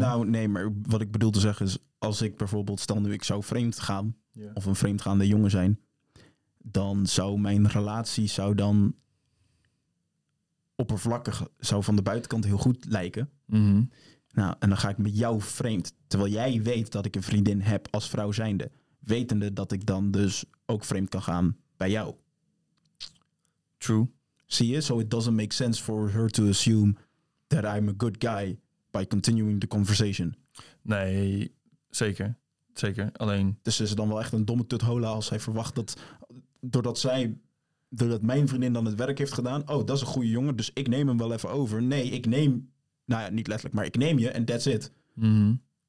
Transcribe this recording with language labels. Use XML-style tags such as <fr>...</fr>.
<nl>Nou, nee, maar wat ik bedoel te zeggen is, als ik bijvoorbeeld, stel nu ik zou vreemd gaan, yeah, of een vreemdgaande jongen zijn, dan zou mijn relatie zou dan oppervlakkig, zou van de buitenkant heel goed lijken. Mm-hmm. Nou, en dan ga ik met jou vreemd, terwijl jij weet dat ik een vriendin heb als vrouw zijnde, wetende dat ik dan dus ook vreemd kan gaan bij jou.</nl> <en>True. See you? So it doesn't make sense for her to assume that I'm a good guy by continuing the conversation.</en> <nl>Nee, zeker. Zeker, alleen. Dus is het dan wel echt een domme tuthola als zij verwacht dat, doordat mijn vriendin dan het werk heeft gedaan, oh, dat is een goede jongen, dus ik neem hem wel even over. Nee, ik neem, nou ja, niet letterlijk, maar ik neem je en</nl> <en>that's it. Mm-hmm.</en>